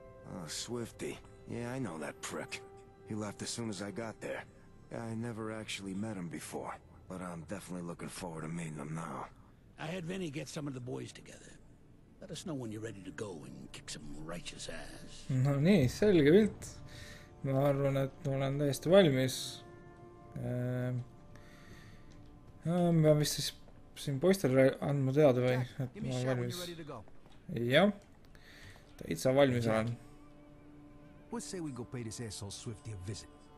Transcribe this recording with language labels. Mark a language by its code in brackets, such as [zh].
[en] Oh, Swifty. Yeah, I know that prick. He left as soon as I got there. I never actually met him before, but I'm definitely looking forward to meeting him now. I had Vinny get some of the boys together. Let us know when you're ready to go and kick some righteous ass. [et] No nii, selge pilt. Ma arvan, et ma olen täiesti valmis. Ma pean vist siis siin poistel andma teada või, et ma olen valmis. Jah. Täitsa valmis olen. [en] What say we go pay this asshole Swifty a visit?